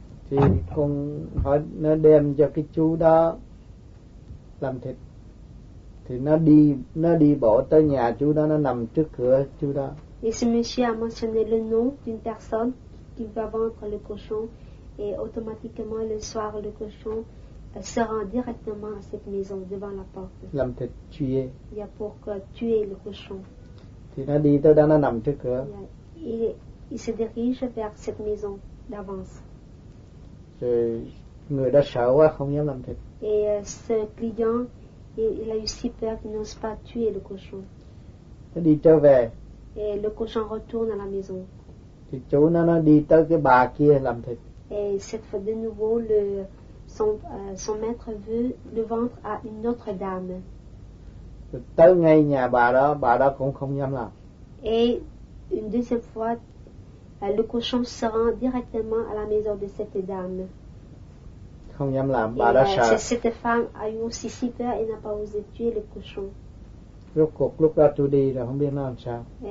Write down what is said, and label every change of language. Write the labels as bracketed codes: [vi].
[vi] Thì con hỏi nó đem cho cái chú đó làm thịt. Thì nó đi bộ tới nhà chú đó, nó nằm trước cửa chú đó. [fr] Et ce monsieur a mentionné le nom d'une personne qui va vendre le cochon et automatiquement le soir le cochon se rend directement à cette maison devant la porte. [vi] Làm thịt tuer. [fr] Il y a pour tuer le cochon. [vi] Thì nó đi tới đó, nó nằm trước cửa. [fr] Il se dirige vers cette maison d'avance. [vi] Thì người đã sợ quá không dám làm thịt. [fr] Et ce client il a eu si peur qu'il n'ose pas tuer le cochon. [vi] Nó đi trở về. [fr] Et le cochon retourne à la maison. [vi] Thì chú nó đi tới cái bà kia làm thịt. [fr] Et cette fois de nouveau le son maître veut le vendre à une autre dame. [vi] Tới ngay nhà bà đó cũng không dám làm. [fr] Et une deuxième fois le cochon se rend directement à la maison de cette dame. [vi] Không dám làm, bà đã sợ. [fr] Cette femme a eu aussi si peur et n'a pas osé tuer le cochon. [vi] Rốt cuộc lúc đó tôi đi rồi không biết nó làm sao.